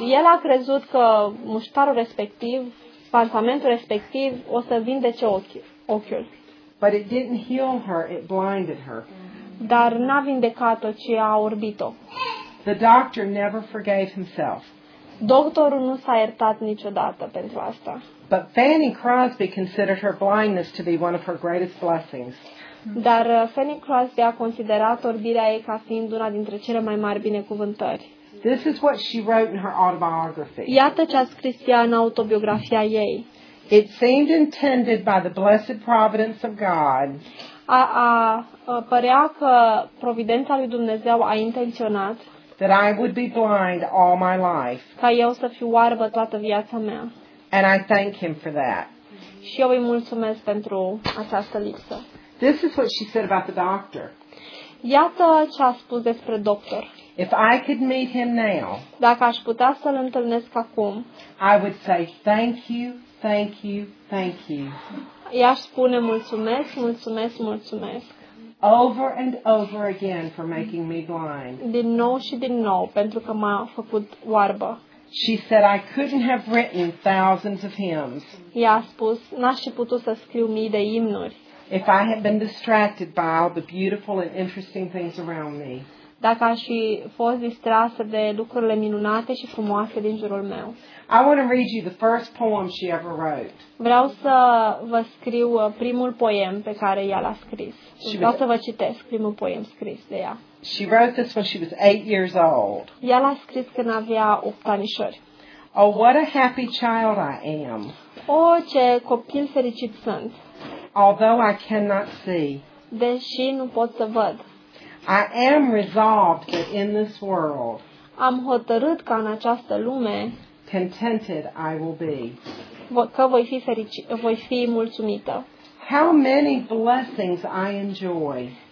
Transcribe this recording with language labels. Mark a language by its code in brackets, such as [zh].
[ro] El a crezut că muștarul respectiv, pansamentul respectiv, o să vindece ochiul. [en] But it didn't heal her, it blinded her. [ro] Dar n-a vindecat-o, ci a orbit-o. [en] The doctor never forgave himself. [ro] Doctorul nu s-a iertat niciodată pentru asta. [en] But Fanny Crosby considered her blindness to be one of her greatest blessings. [ro] Dar Fanny Crosby a considerat orbirea ei ca fiind una dintre cele mai mari binecuvântări. [en] This is what she wrote in her autobiography. [ro] Iată ce a scris ea în autobiografia ei. [en] It seemed intended by the blessed providence of God. [ro] A părea că providența lui Dumnezeu a intenționat [en] that I would be blind all my life. [ro] Ca eu să fiu oarbă toată viața mea. [en] And I thank him for that. [ro] Și eu îi mulțumesc pentru această lipsă. [en] This is what she said about the doctor. [ro] Iată ce a spus despre doctor. [en] If I could meet him now, [ro] dacă aș putea să-l întâlnesc acum, [en] I would say thank you, thank you, thank you. [ro] I-aș spune mulțumesc, mulțumesc, mulțumesc. [en] Over and over again for making me blind. [ro] Din nou și din nou, pentru că m-a făcut oarbă. [en] She said I couldn't have written thousands of hymns. [ro] Ea a spus, n-aș fi putut să scriu mii de imnuri. [en] If I had been distracted by all the beautiful and interesting things around me. [ro] dacă aș fi fost distrasă de lucrurile minunate și frumoase din jurul meu. [en] I want to read you the first poem she ever wrote. [ro] Vreau să vă scriu primul poem pe care ea l-a scris. Vreau să vă citesc primul poem scris de ea. [en] She wrote this when she was 8 years old. [ro] Ea l-a scris când avea 8 anișori. [en] Oh, what a happy child I am. [ro] Oh, ce copil fericit sunt. [en] Although I cannot see. [ro] Deși nu pot să văd. [en] I am resolved that in this world. [ro] Am hotărât că în această lume. [en] Contented I will be. [ro] Că voi fi voi fi mulțumită. [en] How many blessings I enjoy.